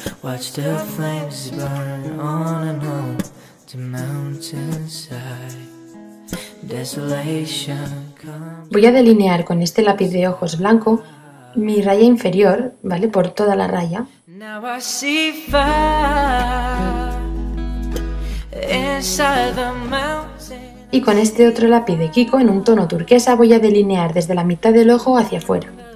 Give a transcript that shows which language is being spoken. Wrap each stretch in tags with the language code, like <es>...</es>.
<en>Watch the flames burn on and on the mountainside. Desolation comes.</en> <es>Voy a delinear con este lápiz de ojos blanco mi raya inferior, ¿vale? Por toda la raya.</es> <en>Now I see fire inside the mountain.</en> <es>Y con este otro lápiz de Kiko en un tono turquesa voy a delinear desde la mitad del ojo hacia afuera.</es>